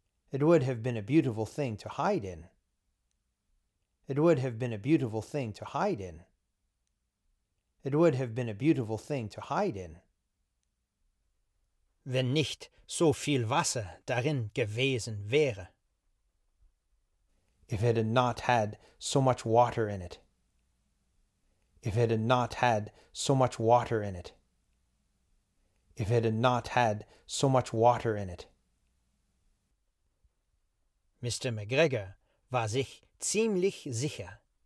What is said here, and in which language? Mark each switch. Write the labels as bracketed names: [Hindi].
[English] It would have been a beautiful thing to hide in. It would have been a beautiful thing to hide in. It would have been a beautiful thing to hide in. [German] Wenn nicht so viel Wasser darin gewesen wäre. [English] If it had not had so much water in it. If it had not had so much water in it. If it had not had so much water in it. [German] Mr. McGregor war sich ziemlich sicher.